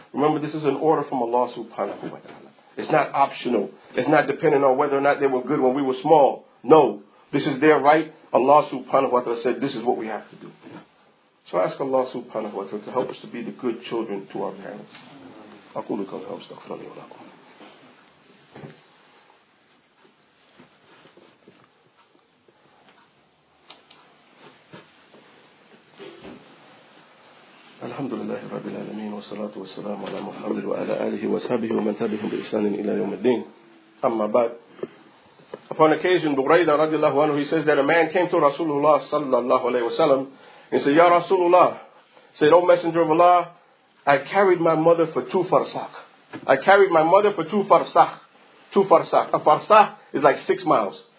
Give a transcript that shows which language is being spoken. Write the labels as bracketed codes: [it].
[en] Remember, this is an order from Allah subhanahu wa ta'ala. It's not optional. It's not dependent on whether or not they were good when we were small. No. This is their right. Allah subhanahu wa ta'ala said, this is what we have to do. So I ask Allah subhanahu wa ta'ala to help us to be the good children to our parents. [ar] أقول لكم استغفر الله لكم. الحمد لله رب العالمين والصلاة والسلام على محمد وعلى آله وصحبه ومن تبعهم بإحسان إلى يوم الدين. أما بعد. [en] Upon occasion, Buraydah [ar] رضي الله عنه, [en] he says that a man came to Rasulullah [ar] صلى الله عليه وسلم [en] and said, "Ya Rasulullah," said, "O Messenger of Allah, I carried my mother for 2 farsakh. I carried my mother for 2 farsakh. 2 farsakh. A farsakh is like 6 miles.